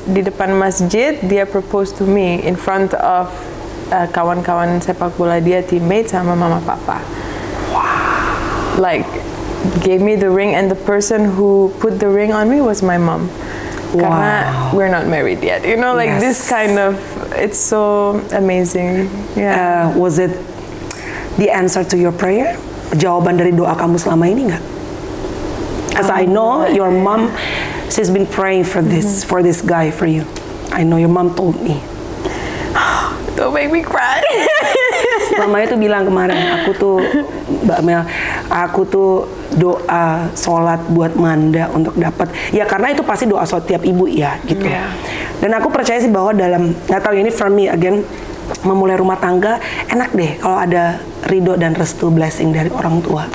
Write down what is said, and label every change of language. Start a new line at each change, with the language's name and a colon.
Indonesian: Di depan masjid, dia
English: propose to me in front of
Indonesian: kawan-kawan sepak bola dia, teammate sama mama papa.
English: Wow. Like, gave me the ring and the person who put the ring on me was my mom. Wow.
Indonesian: Karena
English: we're not married yet, you know, like this kind of, it's so amazing. Yeah. Was it the answer to your prayer?
Indonesian: Jawaban dari doa kamu selama ini gak?
English: As I know, your mom, she's been praying for this, for this guy, for you. I know your mom told me. Don't make me cry.
Indonesian: Mamanya tuh bilang kemarin, aku tuh, Mbak Mel, aku tuh doa sholat buat Manda untuk dapat. Ya karena itu pasti doa sholat tiap ibu ya, gitu.
English: Yeah.
Indonesian: Dan aku percaya sih bahwa dalam, gak tahu ini
English: for me again,
Indonesian: memulai rumah tangga, enak deh kalau ada ridho dan restu blessing dari orang tua.